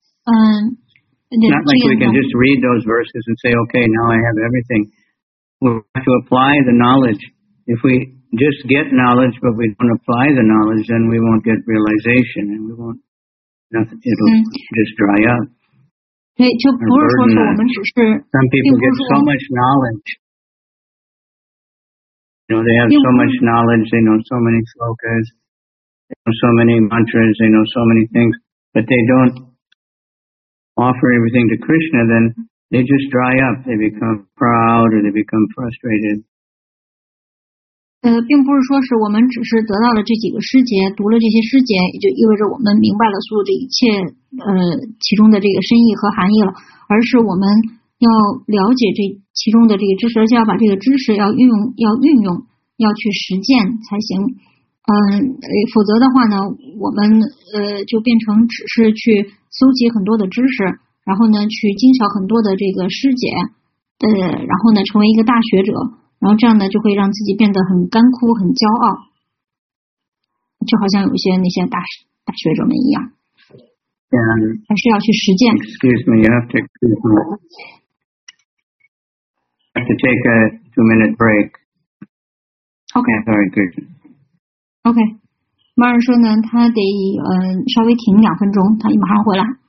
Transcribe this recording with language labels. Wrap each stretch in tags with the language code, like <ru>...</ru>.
<en>like we can just read those verses and say, okay, now I have everything. We have to apply the knowledge. If we just get knowledge, but we don't apply the knowledge, then we won't get realization, and we won't, it'll just dry up.</en> <zh>对，就不是说是我们只是，</zh> <en>some people get so much knowledge. You know, they have so much knowledge, they know so many slokas, they know so many mantras, they know so many things, but they don't offer everything to Krishna, then they just dry up, they become proud, or they become frustrated.</en> <zh>并不是说是我们只是得到了这几个师节，读了这些师节，也就意味着我们明白了所有的一切，其中的这个深意和含义了，而是我们要了解这其中的这个知识，而且要把这个知识要运用，要去实践才行。否则的话呢，我们就变成只是去搜集很多的知识，然后呢去精巧很多的这个师节，然后呢成为一个大学者。然后这样呢就会让自己变得很干枯很骄傲，就好像有些那些大学者们一样。还是要去实践。</zh> <en>Excuse me, you have to take a 2 minute break. Okay, very good.</en> <zh>Okay, 马尔说呢他得稍微停两分钟，他马上回来。</zh>